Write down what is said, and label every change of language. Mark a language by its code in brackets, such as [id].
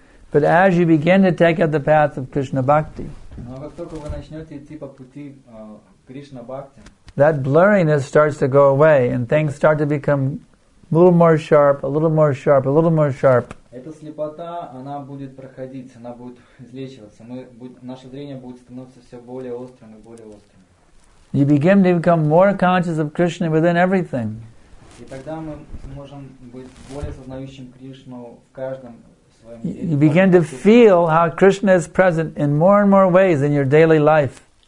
[en] But as you begin to take up the path of Krishna Bhakti, that blurriness starts to go away and things start to become a little more sharp, a little more sharp, a little more sharp. [ru] Эта слепота, она будет проходить, она будет излечиваться. Наше зрение будет становиться все более острым и более острым. [en] You begin to become more conscious of Krishna within everything. [ru] И тогда мы сможем быть более сознающим Кришну в каждом. [en] You begin to feel how Krishna is present in more and more ways in your daily life.